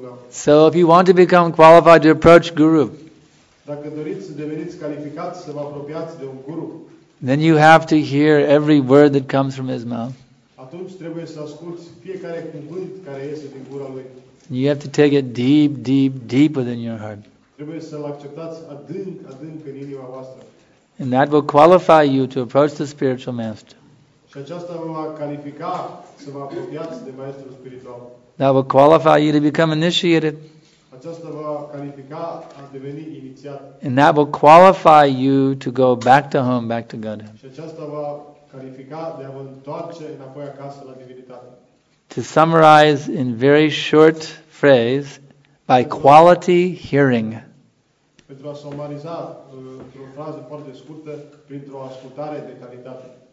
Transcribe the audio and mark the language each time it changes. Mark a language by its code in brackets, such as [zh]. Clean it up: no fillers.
[en] So if you want to become qualified to approach Guru, [ro] dacă doriți să deveniți calificați să vă apropiați de un guru, [en] then you have to hear every word that comes from his mouth. [ro] Atunci trebuie să asculți fiecare cuvânt care iese din gura lui. [en] You have to take it deep, deep, deep within your heart. [ro] Trebuie să îl acceptați adânc, adânc în inima voastră. [en] And that will qualify you to approach the spiritual master. [ro] Și aceasta vă va califica să vă apropiați de maestrul spiritual. [en] That will qualify you to become initiated. [ro] Aceasta va califica a deveni inițiat. [en] And that will qualify you to go back to home, back to Godhead. [ro] Și aceasta va califica de a vă întoarce înapoi acasă la divinitate. [en] To summarize in very short phrase, by quality hearing. [ro] Pentru a sumariza într-o frază foarte scurtă, printr-o ascultare de calitate.